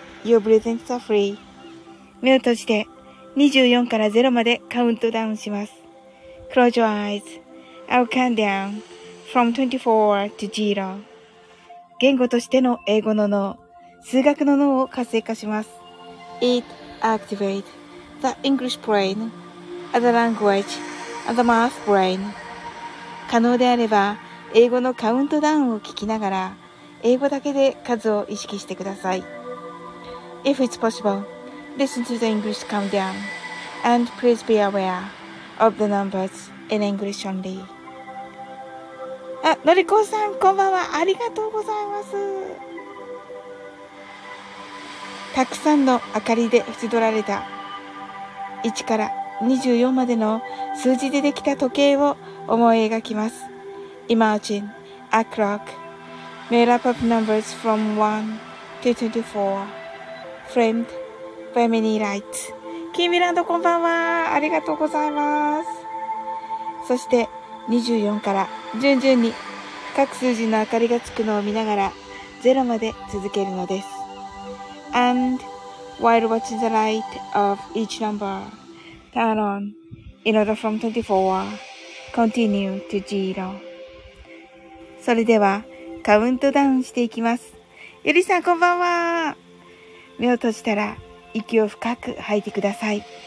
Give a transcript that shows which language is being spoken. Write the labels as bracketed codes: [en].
[en] Your breathing is free. [ja] 目を閉じて24から0までカウントダウンします。 [en] Close your eyes. I'll count down from 24 to 0. [ja] 言語としての英語の脳、数学の脳を活性化します。 [en] It activates the English brain as the language and the math brain. [ja] 可能であれば英語のカウントダウンを聞きながら英語だけで数を意識してください。 [en] If it's possible, listen to the English countdown and please be aware of the numbers in English only. [ja] あ、のりこさんこんばんは、ありがとうございます。たくさんの明かりで縁取られた1から24までの数字でできた時計を思い描きます。 [en] Imagine a clock made up of numbers from 1 to 24 framed by many lights. [ja] キーミランドこんばんは、ありがとうございます。そして24から順々に各数字の明かりがつくのを見ながら0まで続けるのです。 [en] And while watching the light of each numberTurn on, in order from 24, continue to zero. [ja] それでは、カウントダウンしていきます。ゆりさん、こんばんは。目を閉じたら、息を深く吐いてください。